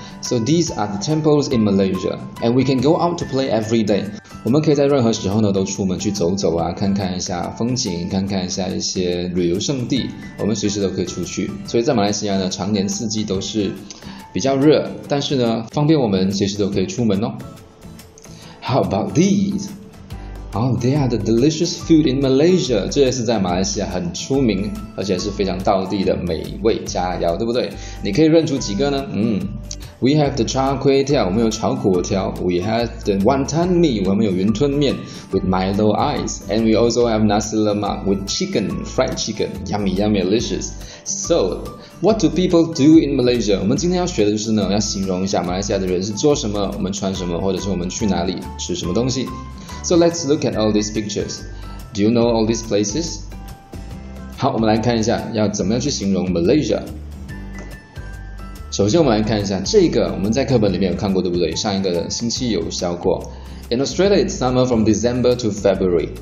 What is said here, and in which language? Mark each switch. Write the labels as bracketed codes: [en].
[en] So these are the temples in Malaysia, and we can go out to play every day. [zh] 我们可以在任何时候呢都出门去走走啊，看看一下风景，看看一下一些旅游胜地，我们随时都可以出去。所以在马来西亚呢，常年四季都是比较热，但是呢，方便我们随时都可以出门哦。 [en] How about these? They are the delicious food in Malaysia. [zh] 这也是在马来西亚很出名，而且是非常道地的美味佳肴，对不对？你可以认出几个呢？ [en] We have the char kway teow, [zh] 我们有炒粿条。 [en] We have the wonton mee, [zh] 我们有云吞面 [en] with Milo ice. And we also have nasi lemak with chicken, fried chicken. Yummy, yummy, delicious. So, what do people do in Malaysia? [zh] 我们今天要学的就是呢，要形容一下马来西亚的人是做什么，我们穿什么，或者是我们去哪里吃什么东西。 [en] So let's look at all these pictures. Do you know all these places? [zh] 好，我们来看一下要怎么样去形容 Malaysia。首先我们来看一下这个，我们在课本里面有看过，对不对？上一个星期有教过。 [en] In Australia, it's summer from December to February.